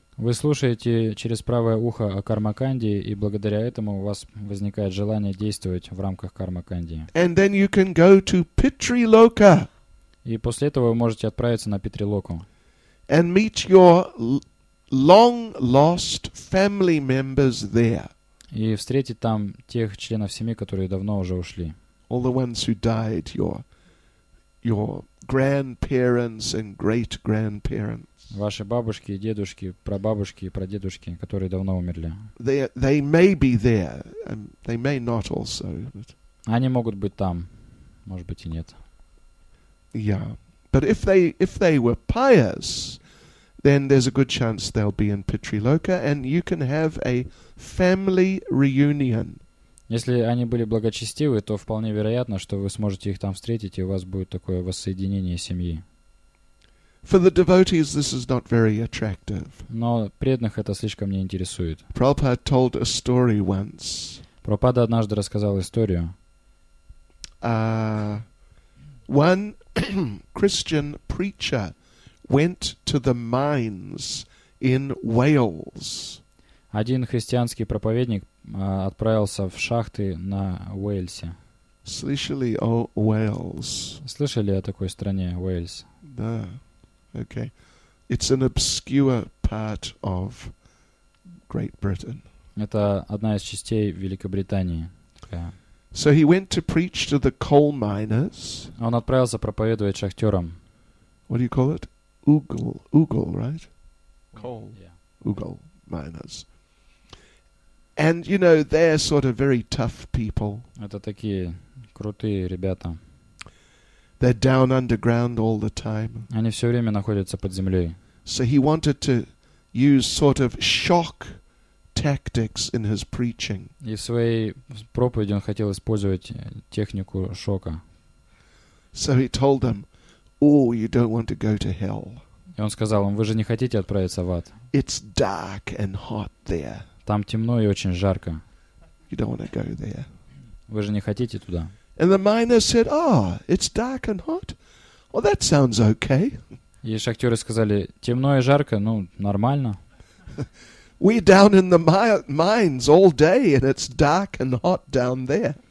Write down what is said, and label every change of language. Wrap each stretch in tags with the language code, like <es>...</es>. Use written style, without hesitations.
<ru>Вы слушаете через правое ухо о Кармакандии, и благодаря этому у вас возникает желание действовать в рамках Кармакандии.</ru> <en>And then you can go to Pitriloka.</en> <ru>И после этого вы можете отправиться на Питрилоку.</ru> <en>And meet your long-lost family members there.</en> <ru>И встретить там тех членов семьи, которые давно уже ушли.</ru> <en>All the ones who died, your grandparents and great-grandparents.</en> <ru>Ваши бабушки и дедушки, прабабушки и прадедушки, которые давно умерли.</ru> <en>They may be there, and they may not also. But...</en> <ru>Они могут быть там, может быть и нет.</ru> <en>Yeah, but if they were pious, then there's a good chance they'll be in Pitriloka, and you can have a family reunion.</en> <ru>Если они были благочестивы, то вполне вероятно, что вы сможете их там встретить, и у вас будет такое воссоединение семьи.</ru> <en>For the devotees, this is not very attractive.</en> <ru>Но преданных это слишком не интересует.</ru> <en>Prabhupada told a story once.</en> <ru>Прабхупада однажды рассказал историю.</ru> <en>One Christian preacher went to the mines in Wales.</en> <ru>Один христианский проповедник отправился в шахты на Уэльсе. Слышали о Уэльсе? Слышали о такой стране Уэльс? Да.</ru> <en>Okay. It's an obscure part of Great Britain.</en> <ru>Это одна из частей Великобритании.</ru> <en>So he went to preach to the coal miners.</en> <ru>Он отправился проповедовать шахтерам.</ru> <en>What do you call it? Угол, right? Coal. Yeah. Угол miners. And you know, they're sort of very tough people.</en> <ru>Это такие крутые ребята.</ru> <en>They're down underground all the time.</en> <ru>Они все время находятся под землей.</ru> <en>So he wanted to use sort of shock tactics in his preaching.</en> <ru>И в своей проповеди он хотел использовать технику шока.</ru> <en>So he told them, "Oh, you don't want to go to hell."</en> <ru>И он сказал им: "Вы же не хотите отправиться в ад?"</ru> <en>It's dark and hot there.</en> <ru>Там темно и очень жарко.</ru> <en>You don't want to go there.</en> <ru>Вы же не хотите туда?</ru> <en>And the miner said, "Oh, it's dark and hot. Well, that sounds okay."</en> <ru>И шахтеры сказали: "Темно и жарко, ну, нормально."</ru> <en>We down in the mines all day, and it's dark and hot down there.</en>